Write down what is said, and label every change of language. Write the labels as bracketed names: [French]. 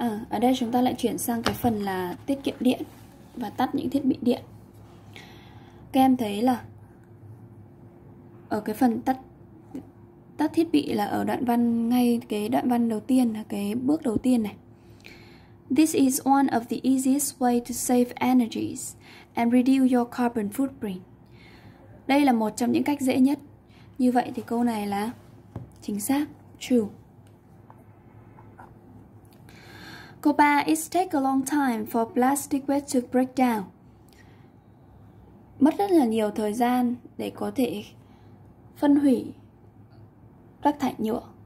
[Vietnamese] Ở đây chúng ta lại chuyển sang cái phần là tiết kiệm điện và tắt những thiết bị điện. Các em thấy là ở cái phần tắt thiết bị là ở đoạn văn, ngay cái đoạn văn đầu tiên, là cái bước đầu tiên này. [English] This is one of the easiest way to save energies and reduce your carbon footprint. [Vietnamese] Đây là một trong những cách dễ nhất. Như vậy thì câu này là chính xác, true. Câu 3, [English] it takes a long time for plastic waste to break down. [Vietnamese] Mất rất là nhiều thời gian để có thể phân hủy rác thải nhựa.